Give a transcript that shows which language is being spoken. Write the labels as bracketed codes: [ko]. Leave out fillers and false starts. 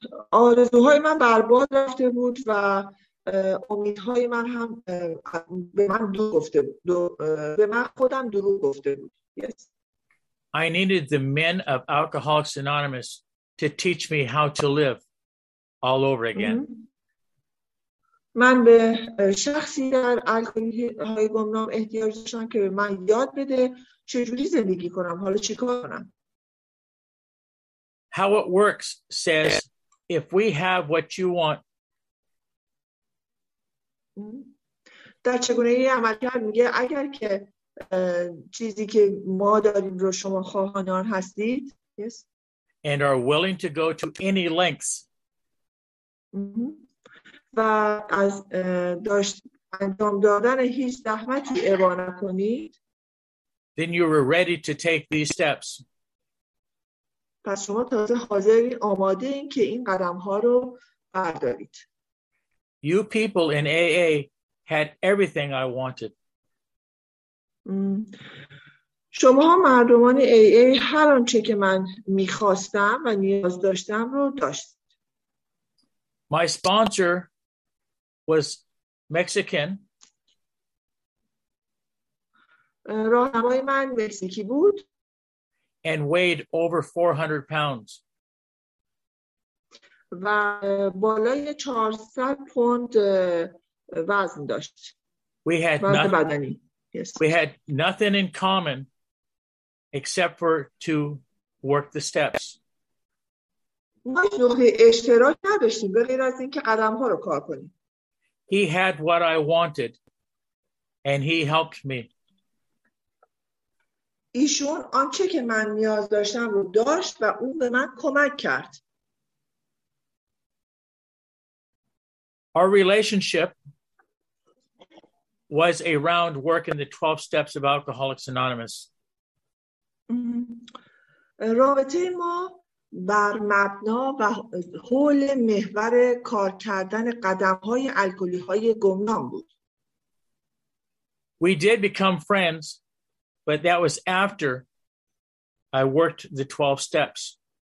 [fa] آرزوهای من برباد رفته بود و امیدهای من هم به من دروغ گفته بود. به من خودم دروغ گفته بود. Yes. [en] I needed the men of Alcoholics Anonymous to teach me how to live all over again. [fa] من به شخصی در الکلی‌های گمنام احتیاج داشتم که به من یاد بده چجوری زندگی کنم، حالا چیکار کنم. [en] How it works says if we have what you want. [fa] در چگونگی عملکرد میگه اگر که چیزی که ما داریم رو شما خواهان آن هستید. [en] Yes. And are willing to go to any lengths. [fa] و از انجام دادن هیچ زحمتی ابا نکنید. [en] Then you were ready to take these steps. [fa] پس شما تازه حاضرین آماده این که این قدم ها رو بردارید. [en] You people in AA had everything I wanted. [fa] شما مردمان AA هر آنچه که من میخواستم و نیاز داشتم رو داشتید. [en] My sponsor was Mexican. [fa] راهنمای من مکزیکی بود. [en] And weighed over 400 pounds. [fa] و بالای 400 پوند وزن داشت. [en] We had [fa] وزن بدنی. Yes. [en] We had nothing in common except for to work the steps. [fa] ما نقطه اشتراک نداشتیم به غیر از اینکه قدم ها رو کار کنیم. [en] He had what I wanted and he helped me. [fa] ایشون آنچه که من نیاز داشتم رو داشت و اون به من کمک کرد. [en] Our relationship was around working the 12 steps of Alcoholics Anonymous. [fa] رابطه ما بر مبنا و حول محور کار کردن قدم‌های الکلی‌های گمنام بود. [en] We did become friends, but that was after I worked the 12 steps.